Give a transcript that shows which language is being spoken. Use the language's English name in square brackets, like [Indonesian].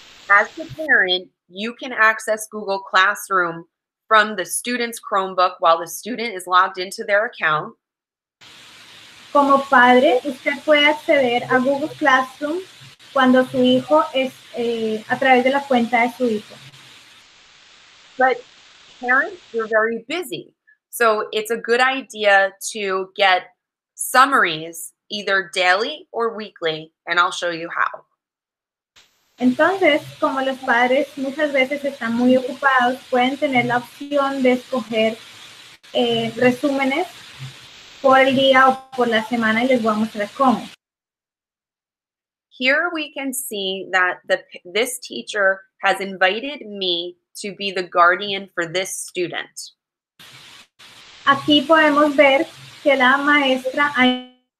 [English] as a parent, you can access Google Classroom from the student's Chromebook while the student is logged into their account. [Spanish] Como padre, usted puede acceder a Google Classroom cuando su hijo es a través de la cuenta de su hijo. [English] But parents, you're very busy, so it's a good idea to get summaries either daily or weekly, and I'll show you how. [Spanish] Entonces, como los padres muchas veces están muy ocupados, pueden tener la opción de escoger resúmenes por el día o por la semana, y les voy a mostrar cómo. [English] Here we can see that this teacher has invited me to be the guardian for this student. [Spanish] Aquí podemos ver que la maestra ha